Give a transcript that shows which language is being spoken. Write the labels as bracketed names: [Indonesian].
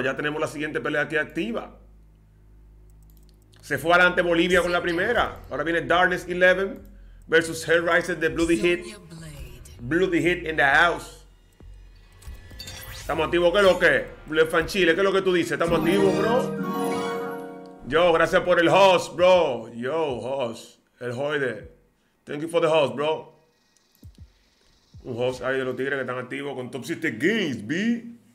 [Spanish] Ya tenemos la siguiente pelea aquí activa. Se fue adelante Bolivia con la primera. Ahora viene Darkness 11 versus Hellraiser de Bloody Heat. [English] Bloody Heat in the house. [Spanish] ¿Estamos activos? ¿Qué es lo que? Le Fan Chile, ¿qué es lo que tú dices? ¿Estamos activos, bro? Yo, gracias por el host, bro. [English] Yo, host. El Hoide. Thank you for the host, bro. [Spanish] Un host ahí de los tigres que están activos con Top 7 Games, B.